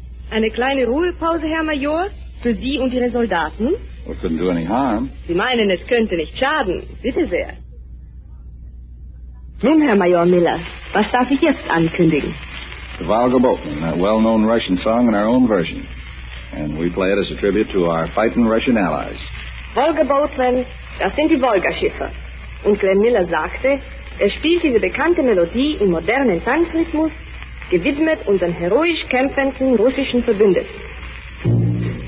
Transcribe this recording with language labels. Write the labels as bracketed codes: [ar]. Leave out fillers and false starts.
[de] Eine Ruhepause, Herr Major, für Sie und Ihre Soldaten? [en] Well, it couldn't do any harm. [de] Sie meinen, es könnte nicht schaden. Bitte sehr. Nun, Herr Major Miller, was darf ich jetzt ankündigen? [en] The Volga Boatman, that well-known Russian song in our own version. And we play it as a tribute to our fighting Russian allies. [de] Volga Boatman, das sind die Volga-Schiffe. Und Glenn Miller sagte, er spielt diese bekannte Melodie im modernen Tanzrhythmus, gewidmet unseren heroisch kämpfenden russischen Verbündeten.